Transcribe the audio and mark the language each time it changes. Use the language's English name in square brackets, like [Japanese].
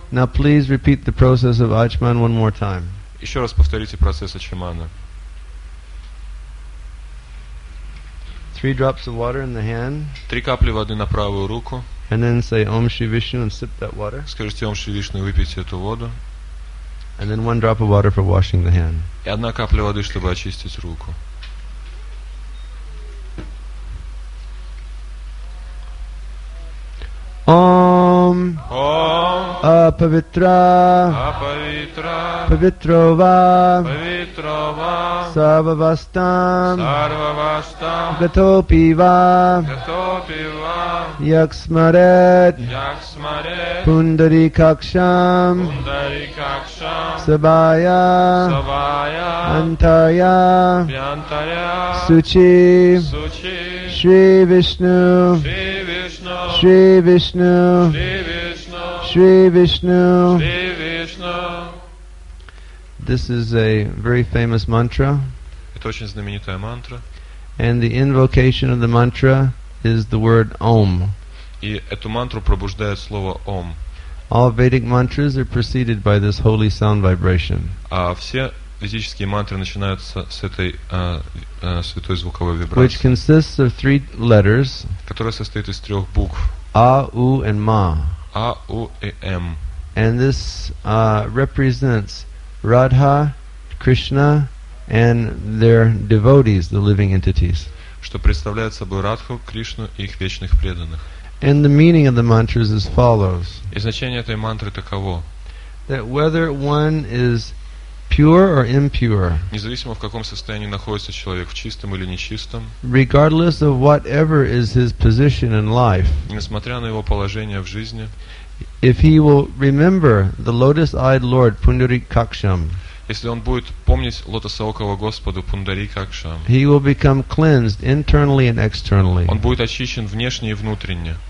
[English] Now please repeat the process of Ачман one more time. [Russian] Еще раз повторите процесс Ачмана. [English] Three drops of water in the hand. [Russian] Три капли воды на правую руку. [English] And then say [Sanskrit] Om Shri Vishnu [English] and sip that water. [Russian] Скажите [Sanskrit] Om Shri Vishnu [Russian] и выпейте эту воду. [English] And then one drop of water for washing the hand. [Russian] И одна капля воды, чтобы очистить руку. [Sanskrit] Om. Om. Apavitra. Apavitra. Pavitrova. Pavitrova. Sarvavastam. Sarvavastam. Gatopiva. Gatopiva. Yaksmaret. Yaksmaret. Pundarikaksham. Pundarikaksham. Sabaya. Sabaya. Antaya. Vyantaya. Suchi. Suchi. Shri Vishnu. Shri Vishnu. Shri Vishnu. Shri Vishnu. Shri Vishnu. [English] This is a very famous mantra. [Russian] Это очень знаменитая мантра. [English] And the invocation of the mantra is the word Om. [Russian] И эту мантру пробуждает слово Om. [English] All Vedic mantras are preceded by this holy sound vibration. [Russian] А все ведические мантры начинаются с этой святой звуковой вибрации. [English] Which consists of three letters. [Russian] Которая состоит из трех букв. [English] A, U, and Ma. [Russian] A, U, E, M. [English] And this represents Radha, Krishna, and their devotees, the living entities. [Russian] что представляют собой Радху, Кришну и их вечных преданных. [English] And the meaning of the mantras is follows. [Russian] И значение этой мантры таково. [English] That whether one is pure or impure. [Russian] Независимо в каком состоянии находится человек, в чистом или нечистом. [English] Regardless of whatever is his position in life. [Russian] Несмотря на его положение в жизни. [English] If he will remember the lotus-eyed Lord Pundarikaksham. [Russian] Если он будет помнить лотосоокого Господа Пундарикакшам. [English] He will become cleansed internally and externally. [Russian] Он будет очищен внешне и внутренне.